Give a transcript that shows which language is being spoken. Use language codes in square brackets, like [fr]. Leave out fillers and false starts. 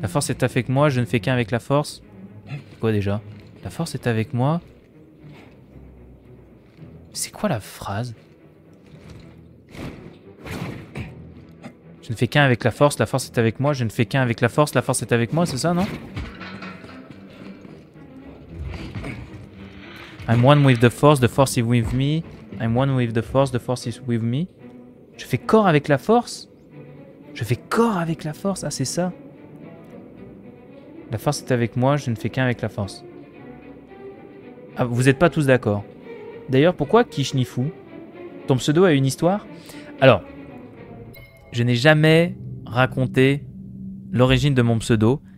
[fr] La force est avec moi, je ne fais qu'un avec la force. Quoi déjà ? La force est avec moi. C'est quoi la phrase ? Je ne fais qu'un avec la force est avec moi, je ne fais qu'un avec la force est avec moi, c'est ça, non ? [en] I'm one with the force is with me. I'm one with the force is with me. [fr] Je fais corps avec la force ? Je fais corps avec la force, ah c'est ça. La force est avec moi, je ne fais qu'un avec la force. Ah, vous n'êtes pas tous d'accord. D'ailleurs, pourquoi Kish Nifu ? Ton pseudo a une histoire ? Alors, je n'ai jamais raconté l'origine de mon pseudo.